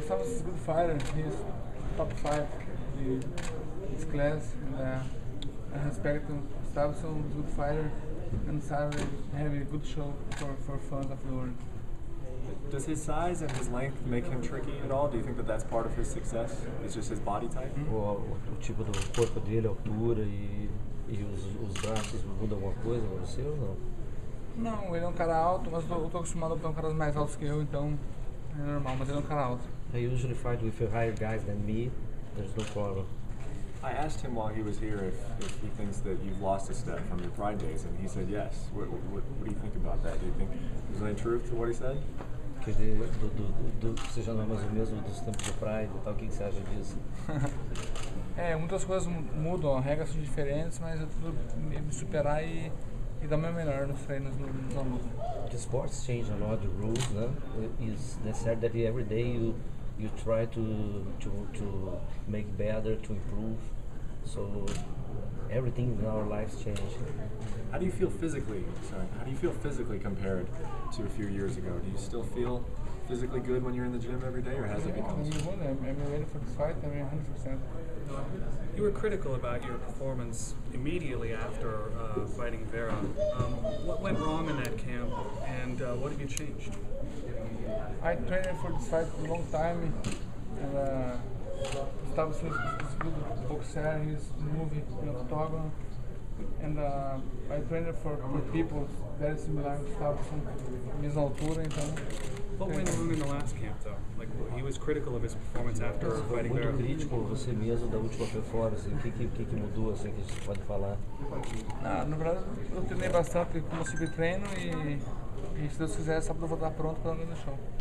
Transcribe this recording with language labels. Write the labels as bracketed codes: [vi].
[en] Gustafsson is a good fighter. He's top five in his class. And I respect him. Gustafsson is a good fighter. And Saturday, having a good show for fans of the world. Does his size and his length make him tricky at all? Do you think that that's part of his success? It's just his body type? [pt] O tipo do corpo dele, a altura e os braços, muda alguma coisa para você ou não? Não, ele é cara alto, mas eu tô acostumado a ter caras mais altos que eu, então é normal, mas ele é cara alto. [en] I usually fight with higher guys than me, there's no problem. I asked him while he was here if he thinks that you've lost a step from your Pride days, and he said yes. What do you think about that? Do you think there's any truth to what he said? [pt] Que do você já não é mais o mesmo dos tempos do Pride e tal, o que você acha disso? Muitas coisas mudam, regras são diferentes, mas é tudo me superar e dar o meu melhor nos treinos, nos alunos. [en] The sports change a lot, the rules, né? It's necessary that every day you try to make better, to improve. So everything in our lives changed. How do you feel physically compared to a few years ago? Do you still feel physically good when you're in the gym every day, or has it become? I'm ready for this fight. I'm 100%. You were critical about your performance immediately after fighting Vera. What went wrong in that camp, and what have you changed? I trained for this fight a long time, and Gustafsson is a good boxer, he's moving in the octagon, and I trained for people very similar to Gustafsson, [pt] mesma altura, então. [en] What went wrong in the last camp, though? Like, he was critical of his performance after fighting Vera. [pt] Muito crítico você mesmo da última performance. O que mudou, assim, que a gente pode falar? No Brasil, eu treinei bastante, consegui treino e... E se Deus quiser, sábado eu vou estar pronto para andar no show.